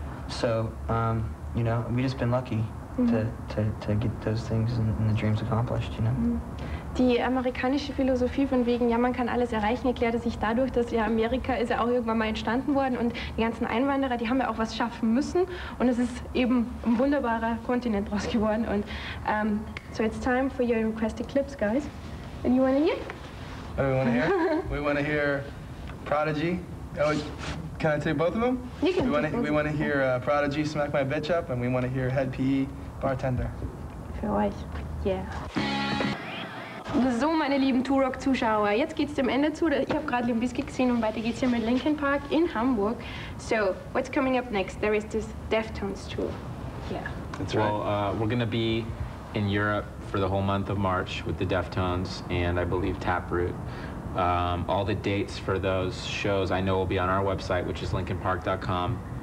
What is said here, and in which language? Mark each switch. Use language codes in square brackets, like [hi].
[en] So you know, we've just been lucky. To get those things and the dreams accomplished, you know. [de] Die amerikanische Philosophie von wegen, ja, man kann alles erreichen, erklärte sich dadurch, dass ja Amerika ist ja auch irgendwann mal entstanden worden, und die ganzen Einwanderer, die haben ja auch was schaffen müssen, und es ist eben ein wunderbarer Kontinent draus geworden. [en] Und so it's time for your requested clips, guys. And you want to hear? What do we want to hear? We want to hear Prodigy. Can I take both of them? You can. We want to hear Prodigy smack my bitch up, and we want to hear Head PE bartender. [de] Für euch. Yeah. So, meine lieben Turok-Zuschauer, jetzt geht's dem Ende zu. Ich habe gerade Limp Bizkit gesehen und weiter geht's hier mit Linkin Park in Hamburg. [en] So, what's coming up next? There is this Deftones tour. Yeah. That's right. Well, we're going to be in Europe for the whole month of March with the Deftones and I believe Taproot. All the dates for those shows I know will be on our website, which is linkinpark.com.